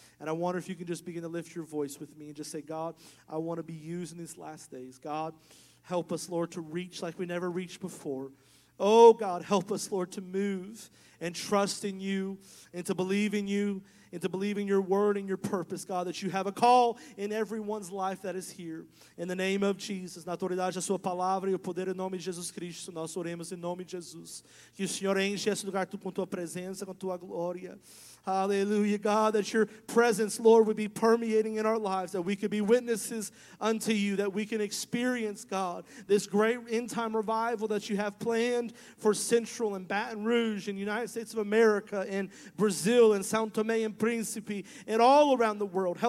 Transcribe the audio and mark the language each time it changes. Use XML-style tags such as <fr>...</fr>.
<en>And I wonder if you can just begin to lift your voice with me and just say, God, I want to be used in these last days. God, help us, Lord, to reach like we never reached before. Oh, God, help us, Lord, to move and trust in You and to believe in You and to believe in Your word and Your purpose, God, that You have a call in everyone's life that is here. In the name of Jesus,</en> <pt>na autoridade da Sua palavra e o poder em nome de Jesus Cristo, nós oremos em nome de Jesus. Que o Senhor enche esse lugar com Tua presença, com Tua glória.</pt> <en>Hallelujah, God, that Your presence, Lord, would be permeating in our lives, that we could be witnesses unto You, that we can experience, God, this great end-time revival that You have planned for Central and Baton Rouge and United States of America and Brazil and São Tomé and Príncipe and all around the world.</en>